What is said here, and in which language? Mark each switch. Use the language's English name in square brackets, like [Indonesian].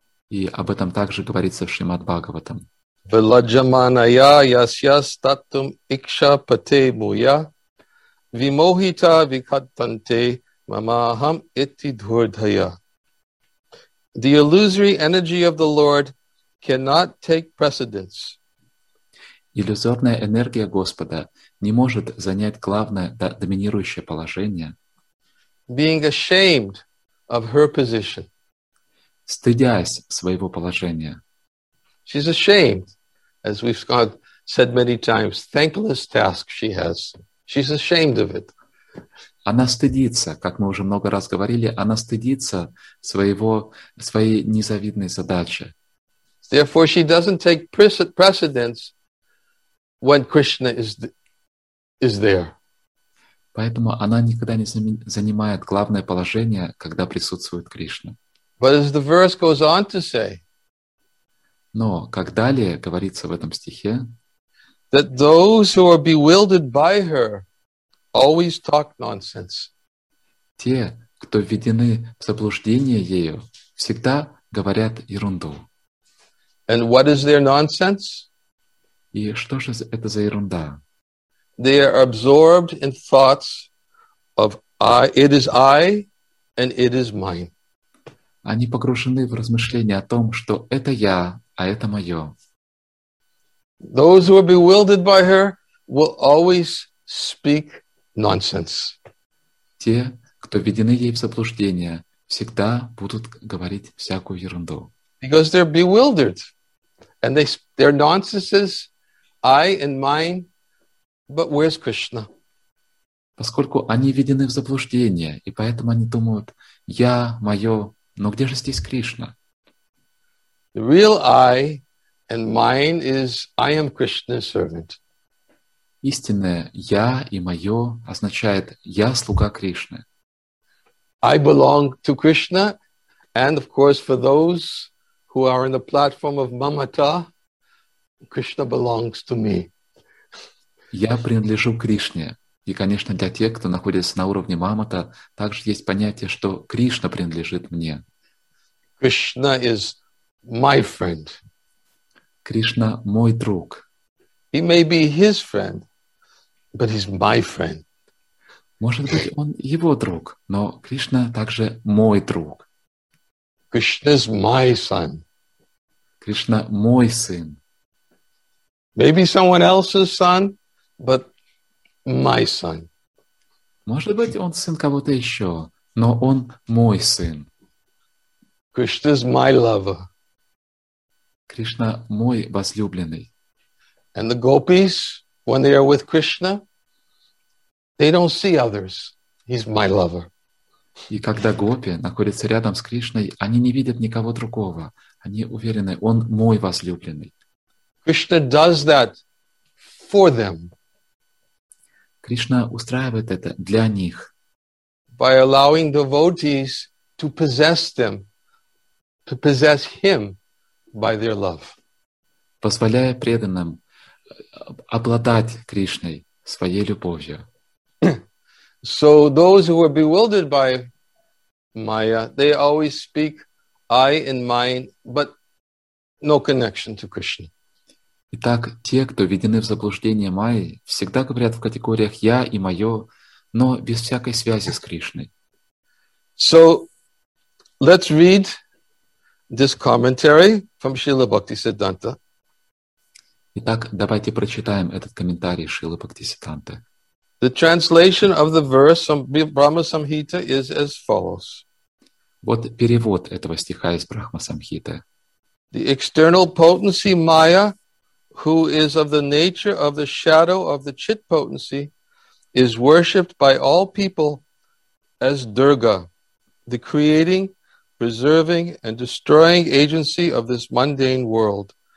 [Russian] И об этом также говорится в Шримад Бхагаватам. [Sanskrit] Vilajamanaya yasya statum iksha pate muya vimohita vikatante mamaham iti dhurdhaya. [English] The illusory energy of the Lord cannot take precedence. [Russian] Иллюзорная энергия Господа не может занять главное доминирующее положение. [English] Being ashamed of her position. [Russian] Стыдясь своего положения. [English] She's ashamed, as we've said many times, thankless task she has. She's ashamed of it. [Russian] Она стыдится, как мы уже много раз говорили, она стыдится своей незавидной задачи. [English] Therefore, she doesn't take precedence when Krishna is there. [Russian] Поэтому она никогда не занимает главное положение, когда присутствует Кришна. [English] But as the verse goes on to say, [Russian] но как далее говорится в этом стихе, [English] that those who are bewildered by her always talk nonsense. [Russian] Те, кто введены в заблуждение ею, всегда говорят ерунду. [English] And what is their nonsense? [Russian] И что же это за ерунда? [English] They are absorbed in thoughts of I, it is I, and it is mine. [Russian] Они погружены в размышления о том, что это я, а это мое. [English] Those who are bewildered by her will always speak nonsense. [Russian] Те, кто введены ей в заблуждение, всегда будут говорить всякую ерунду. [English] Because they're bewildered. And their nonsense is I and mine, but where's Krishna? [Russian] Поскольку они введены в заблуждение, и поэтому они думают, я, мое, но где же здесь Кришна? [English] The real I And mine is, I am Krishna's servant. [Russian] Истинное «я» и «моё» означает «я слуга Кришны». [English] I belong to Krishna, and of course for those who are in the platform of Mamata, Krishna belongs to me. [Russian] Я принадлежу Кришне. И, конечно, для тех, кто находится на уровне Мамата, также есть понятие, что Кришна принадлежит мне. [English] Krishna is my friend. [Russian] Кришна — мой друг. [English] He may be his friend, but he's my friend. [Russian] Может быть, он его друг, но Кришна также мой друг. [English] Krishna is my son. [Russian] Кришна — мой сын. [English] Maybe someone else's son, but my son. [Russian] Может быть, он сын кого-то еще, но он мой сын. [English] Krishna is my lover. [Russian] Кришна — мой возлюбленный. [English] And the gopis, when they are with Krishna, they don't see others. He's my lover. [Russian] И когда гопи находятся рядом с Кришной, они не видят никого другого. Они уверены, он мой возлюбленный. [English] Krishna does that for them. [Russian] Кришна устраивает это для них. [English] By allowing devotees to possess them, to possess him by their love. [Russian] Позволяя преданным обладать Кришной своей любовью. [English] So those who are bewildered by Maya, they always speak I and mine, but no connection to Krishna. [Russian] Итак, те, кто введены в заблуждение Майи, всегда говорят в категориях «я» и «моё», но без всякой связи с Кришной. [English] So, let's read this commentary from Śrīla Bhaktisiddhānta. [Russian] Итак, давайте прочитаем этот комментарий Śrīla Bhaktisiddhānta. [English] The translation of the verse from Brahma Samhita is as follows. [Russian] Вот перевод этого стиха из Брахма Самхиты. [English] The external potency Maya, who is of the nature of the shadow of the chit potency, is worshipped by all people as Durga, the creating, preserving, and destroying agency of this mundane world.